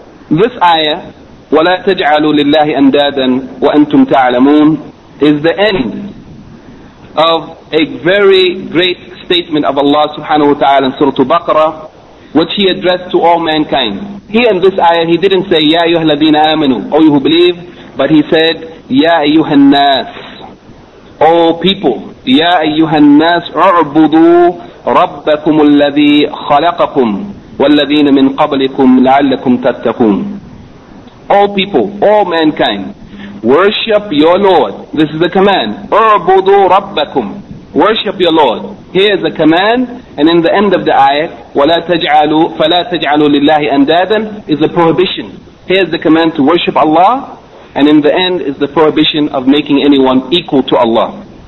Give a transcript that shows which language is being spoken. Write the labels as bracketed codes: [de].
[en] This ayah, [ar] وَلَا تَجْعَلُوا لِلَّهِ أَنْدَادًا وَأَنْتُمْ تَعْلَمُونَ, [en] is the end of a very great statement of Allah subhanahu wa ta'ala in Surah Al-Baqarah, which he addressed to all mankind. Here in this ayah, he didn't say, [ar] يَا أَيُّهَا الَّذِينَ آمَنُوا, [en] O you who believe, but he said, [ar] يَا أَيُّهَا النَّاسِ, [en] O people, [ar] يَا أَيُّهَا النَّاسِ اعْبُدُوا رَبَّكُمُ الَّذِي خَلَقَكُمْ وَالَّذِينَ مِنْ قَبْلِكُمْ لَعَلَّكُمْ تَتَّقُونَ. [en] All people, all mankind, worship your Lord. This is a command. [ar] اعْبُدُوا رَبَّكُمْ. [en] Worship your Lord. Here is a command, and in the end of the ayah, [ar] وَلَا تَجْعَلُوا فَلَا تَجْعَلُوا لِلَّهِ أَنْدَادًا, [en] is a prohibition. Here is the command to worship Allah, and in the end is the prohibition of making anyone equal to Allah.